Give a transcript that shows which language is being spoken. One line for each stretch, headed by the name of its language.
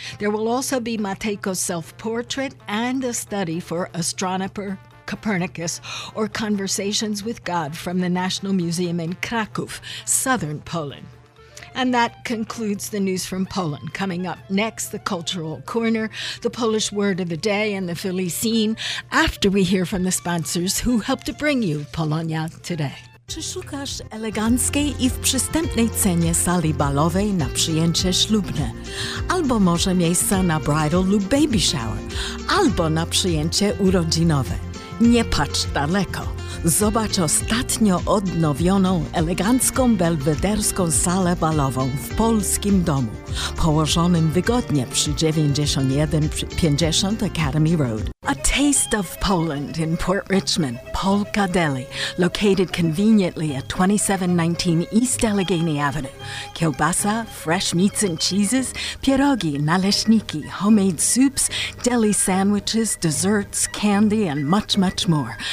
English: There will also be Matejko's self-portrait and a study for astronomer Copernicus or Conversations with God from the National Museum in Kraków, southern Poland. And that concludes the news from Poland. Coming up next, the Cultural Corner, the Polish Word of the Day, and the Philly Scene, after we hear from the sponsors who helped to bring you Polonia Today.
Polish: Czy szukasz eleganckiej i w przystępnej cenie sali balowej na przyjęcie ślubne? Albo może miejsca na bridal lub baby shower? Albo na przyjęcie urodzinowe? Nie patrz daleko. Zobacz ostatnio odnowioną, elegancką, belwederską salę balową w polskim domu, położonym wygodnie przy 9150 Academy Road.
English: A taste of Poland in Port Richmond, Polka Deli, located conveniently at 2719 East Allegheny Avenue. Kielbasa, fresh meats and cheeses, pierogi, naleśniki, homemade soups, deli sandwiches, desserts, candy, and much, much more.